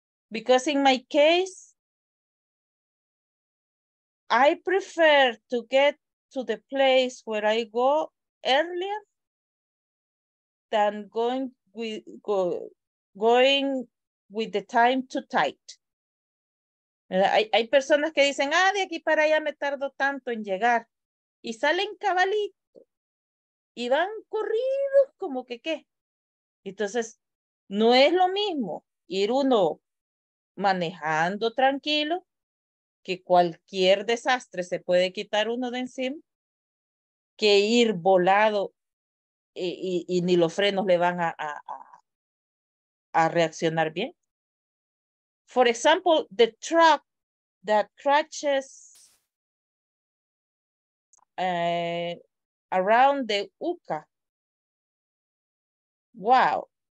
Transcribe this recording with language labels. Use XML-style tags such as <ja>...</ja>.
<en>Because in my case, I prefer to get to the place where I go earlier than going with the time too tight.</en> <es>Hay personas que dicen, ah, de aquí para allá me tardo tanto en llegar. Y salen cabalito. Y van corridos como que qué. Entonces, no es lo mismo ir uno manejando tranquilo, que cualquier desastre se puede quitar uno de encima, que ir volado y ni los frenos le van a reaccionar bien.</es> <en>For example, the truck that crashes around the UCA. Wow.</en>